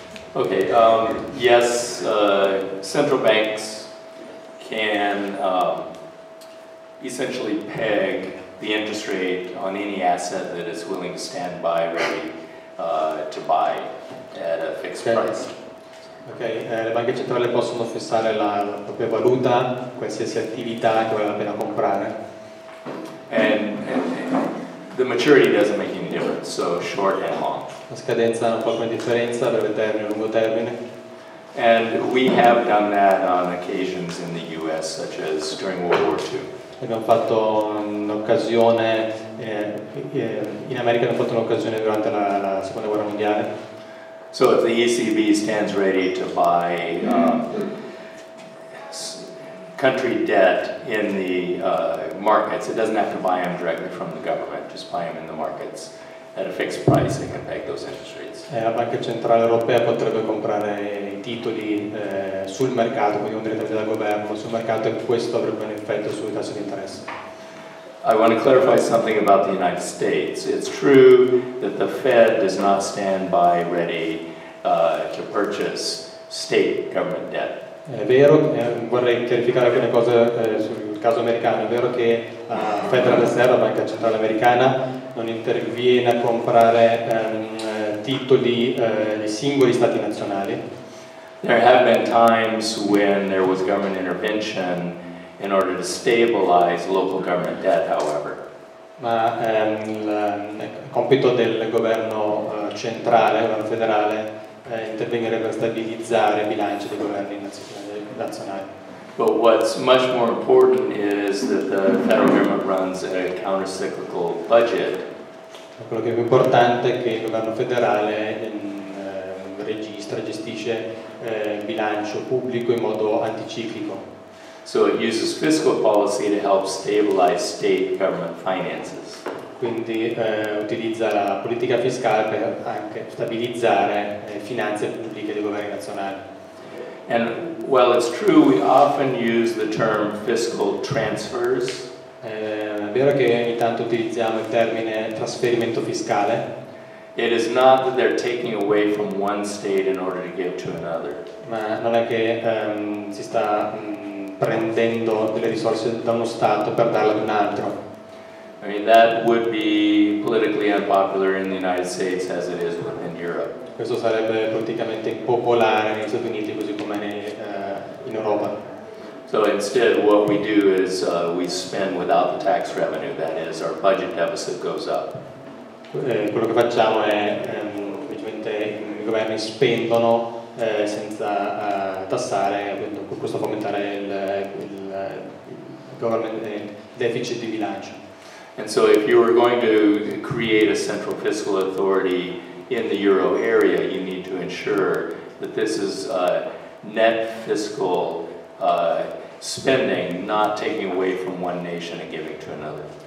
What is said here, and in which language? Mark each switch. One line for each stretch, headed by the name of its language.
English: Okay, yes, central banks can essentially peg the interest rate on any asset that it's willing to stand by ready to buy at a fixed price.
Italian: Okay, le banche centrali possono fissare la propria valuta, qualsiasi attività che vale la pena comprare.
English: And the maturity doesn't make any difference, so short and long.
Italian: La scadenza non fa alcuna differenza, breve termine o lungo termine.
English: And we have done that on occasions in the US, such as during World War II.
Italian: Abbiamo fatto un'occasione, in America abbiamo fatto un'occasione durante la Seconda Guerra Mondiale.
English: So if the ECB stands ready to buy country debt in the markets, it doesn't have to buy them directly from the government, just buy them in the markets at a fixed price and can peg those interest rates.
Italian: La Banca Centrale Europea potrebbe comprare i titoli sul mercato, quindi non direttamente dal governo, sul mercato, e questo avrebbe un effetto sui tassi di interesse.
English: I want to clarify something about the United States. It's true that the Fed does not stand by ready to purchase state government debt.
Italian: È vero, vorrei chiarificare alcune cose sul caso americano. È vero che Federal Reserve, la Banca Centrale Americana, non interviene a comprare titoli di singoli stati nazionali.
English: There have been times when there was government intervention in order to stabilize local government debt, however.
Italian: Ma il compito del governo centrale, governo federale, è intervenire per stabilizzare i bilanci dei governi nazionali.
English: But what's much more important is that the federal government runs a counter-cyclical budget.
Italian: Quello che è più importante è che il governo federale registra, gestisce il bilancio pubblico in modo anticiclico.
English: So it uses fiscal policy to help stabilize state government finances.
Italian: Quindi utilizza la politica fiscale per anche stabilizzare le finanze pubbliche dei governi nazionali.
English: And while it's true we often use the term fiscal transfers,
Italian: è vero che ogni tanto utilizziamo il termine trasferimento fiscale.
English: It is not that they're taking away from one state in order to give to another.
Italian: Ma non è che si sta prendendo delle risorse da uno Stato per darle ad un altro.
English: I mean, that would be politically unpopular in the United States as it is within Europe.
Italian: Questo sarebbe politicamente impopolare negli Stati Uniti così come in Europa.
English: So instead what we do is we spend without the tax revenue, that is, our budget deficit goes up.
Italian: Quello che facciamo è, ovviamente, i governi spendono senza tassare, questo può aumentare il deficit di bilancio.
English: And so if you were going to create a central fiscal authority in the euro area, you need to ensure that this is net fiscal spending, not taking away from one nation and giving to another.